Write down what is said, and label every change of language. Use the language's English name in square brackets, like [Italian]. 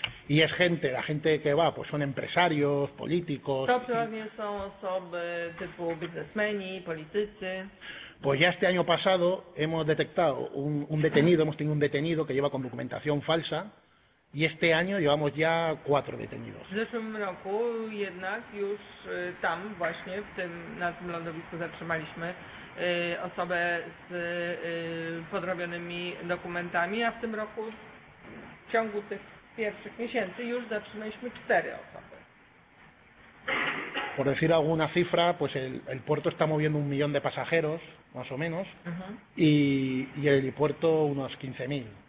[Spanish] Y es gente, la gente que va, pues son empresarios, políticos. [Polish] To przeważnie są osoby typu biznesmeni, politycy. [Spanish] Pues ya este año pasado hemos detectado un detenido, hemos tenido un detenido que lleva con documentación falsa Y este año llevamos ya 4 detenidos. [Polish] W zeszłym roku jednak już tam właśnie, w tym, na tym lądowisku zatrzymaliśmy osobę z podrobionymi dokumentami, a w tym roku w ciągu tych pierwszych miesięcy już zatrzymaliśmy 4 osoby. [Spanish] Por decir alguna cifra, pues el puerto está moviendo 1 millón de pasajeros, más o menos, y el helipuerto unos 15.000.